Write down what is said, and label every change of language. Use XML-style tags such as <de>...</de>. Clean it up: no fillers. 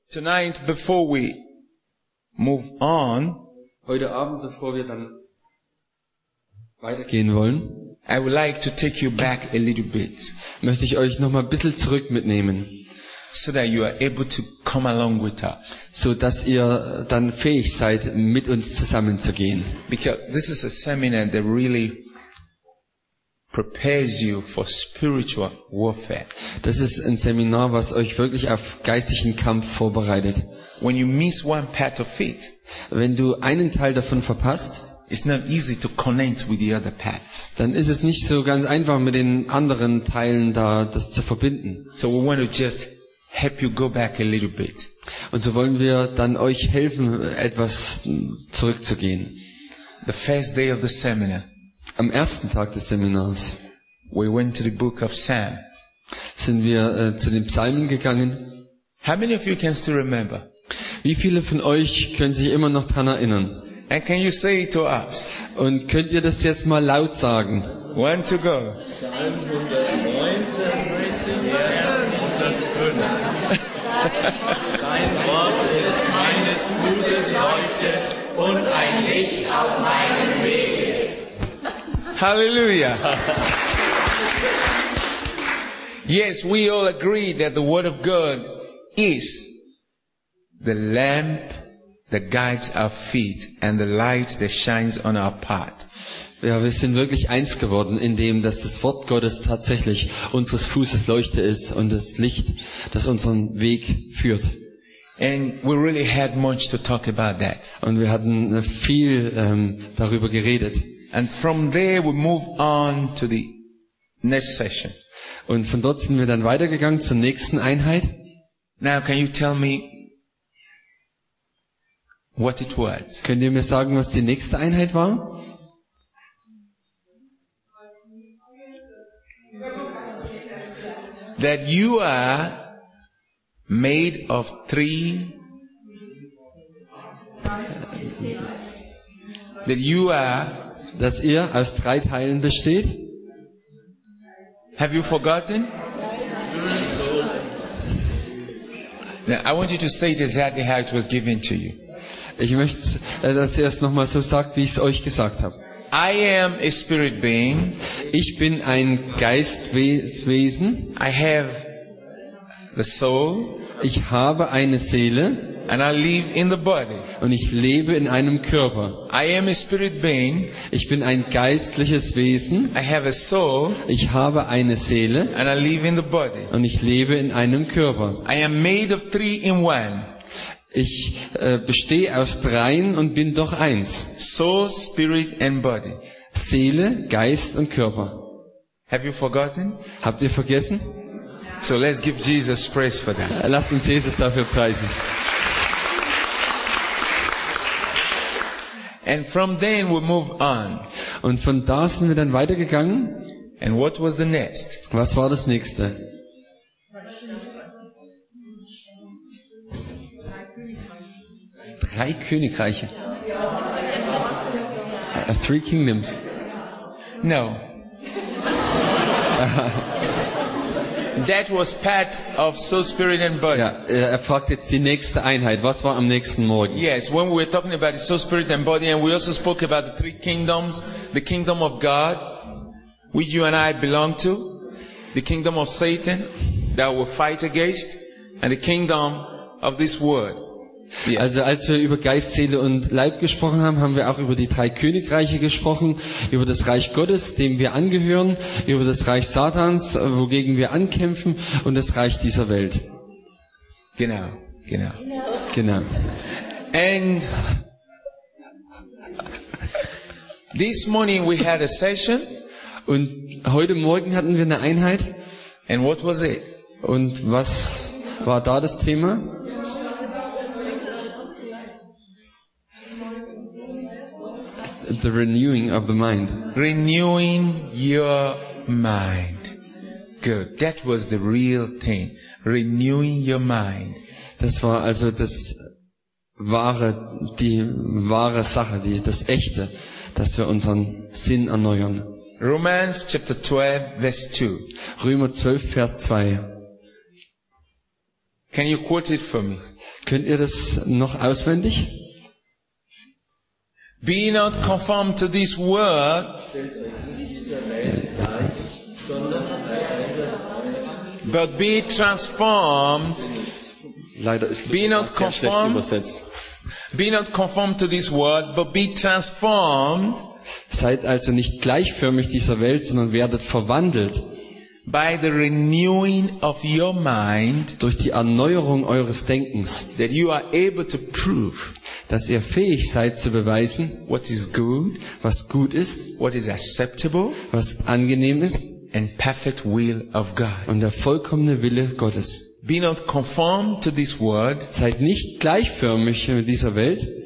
<en>Tonight, before we move on,</en> <de>heute Abend, bevor wir dann weitergehen wollen,</de> <en>I would like to take you back a little bit,</en> <de>möchte ich euch noch mal ein bisschen zurück mitnehmen,</de> <en>so that you are able to come along with us,</en> <de>so dass ihr dann fähig seid, mit uns zusammenzugehen.</de> <en>Because this is a seminar that really prepares you for spiritual warfare.</en> <de>Das ist ein Seminar, was euch wirklich auf geistigen Kampf vorbereitet.</de> <en>When you miss one part of it,</en> <de>wenn du einen Teil davon verpasst,</de> <en>it's not easy to connect with the other parts.</en> <de>Dann ist es nicht so ganz einfach, mit den anderen Teilen da das zu verbinden.</de> <en>So we want to just help you go back a little bit.</en> <de>Und so wollen wir dann euch helfen, etwas zurückzugehen.</de> <en>The first day of the seminar.</en> <de>Am ersten Tag des Seminars.</de> <en>We went to the book of Psalm.</en> <de>Sind wir zu den Psalmen gegangen.</de> <en>How many of you can still remember?</en> <de>Wie viele von euch können sich immer noch daran erinnern?</de> <en>And can you say it to us?</en> <de>Und könnt ihr das jetzt mal laut sagen?</de> <en>One to go.</en> <de>Dein Wort ist meines Fußes Leuchte und ein Licht auf meinem Weg.</de> <en>Hallelujah. Yes, we all agree that the Word of God is the lamp that guides our feet and the light that shines on our path.</en> <de>Ja, wir sind wirklich eins geworden, indem dass das Wort Gottes tatsächlich unseres Fußes Leuchte ist und das Licht, das unseren Weg führt.</de> <en>And we really had much to talk about that.</en> <de>Und wir hatten viel darüber geredet.</de> <en>And from there we move on to the next session.</en> <de>Und von dort sind wir dann weitergegangen zur nächsten Einheit.</de> <en>Now can you tell me what it was?</en> <de>Könnt ihr mir sagen, was die nächste Einheit war?</de> <en>That you are made of three. That you are.</en> <de>Dass ihr aus drei Teilen besteht.</de> <en>Have you forgotten? Now, I want you to say it exactly how it was given to you.</en> <de>Ich möchte, dass ihr es nochmal so sagt, wie ich es euch gesagt habe.</de> <en>I am a spirit being.</en> <de>Ich bin ein Geistwesen.</de> <en>I have the soul.</en> <de>Ich habe eine Seele.</de> <en>And I live in the body.</en> <de>Und ich lebe in einem Körper.</de> <en>I am a spirit being.</en> <de>Ich bin ein geistliches Wesen.</de> <en>I have a soul.</en> <de>Ich habe eine Seele.</de> <en>And I live in the body.</en> <de>Und ich lebe in einem Körper.</de> <en>I am made of three in one.</en> <de>Ich bestehe aus dreien und bin doch eins.</de> <en>Soul, spirit and body.</en> <de>Seele, Geist und Körper.</de> <en>Have you forgotten?</en> <de>Habt ihr vergessen?</de> <en>So let's give Jesus praise for that.</en> <de>Lasst uns Jesus dafür preisen.</de> <en>And from then we move on.</en> <de>Und von da sind wir dann weitergegangen.</de> <en>And what was the next?</en> <de>Was war das nächste? Drei Königreiche.</de> <en>Three kingdoms. No. That was part of soul, spirit and body.</en> <de>Ja, fragt jetzt die nächste Einheit. Was war am nächsten Morgen?</de> <en>Yes, when we were talking about the soul, spirit and body, and we also spoke about the three kingdoms, the kingdom of God, which you and I belong to, the kingdom of Satan that we fight against, and the kingdom of this world. Yes.</en> <de>Also als wir über Geist, Seele und Leib gesprochen haben, haben wir auch über die drei Königreiche gesprochen, über das Reich Gottes, dem wir angehören, über das Reich Satans, wogegen wir ankämpfen, und das Reich dieser Welt. Genau, genau, genau.</de> <en>And this morning we had a session.</en> <de>Und heute Morgen hatten wir eine Einheit.</de> <en>And what was it?</en> <de>Und was war da das Thema?</de> <en>The renewing of the mind. Renewing your mind. Good. That was the real thing. Renewing your mind.</en> <de>Das war also das wahre, die wahre Sache, die, das echte, dass wir unseren Sinn erneuern.</de> <en>Romans chapter 12 verse 2.</en> <de>Römer 12 Vers 2.</de> <en>Can you quote it for me?</en> <de>Könnt ihr das noch auswendig?</de> <en>Be not conformed to this world. But be transformed.</en> <de>Leider ist das sehr schlecht übersetzt.</de> <en>Be not conformed to this world, but be transformed.</en> <de>Seid also nicht gleichförmig dieser Welt, sondern werdet verwandelt.</de> <en>By the renewing of your mind.</en> <de>Durch die Erneuerung eures Denkens.</de> <en>That you are able to prove.</en> <de>Dass ihr fähig seid zu beweisen.</de> <en>What is good.</en> <de>Was gut ist.</de> <en>What is acceptable.</en> <de>Was angenehm ist.</de> <en>And perfect will of God.</en> <de>Und der vollkommene Wille Gottes.</de> <en>Be not conformed to this world.</en> <de>Seid nicht gleichförmig mit dieser Welt.</de>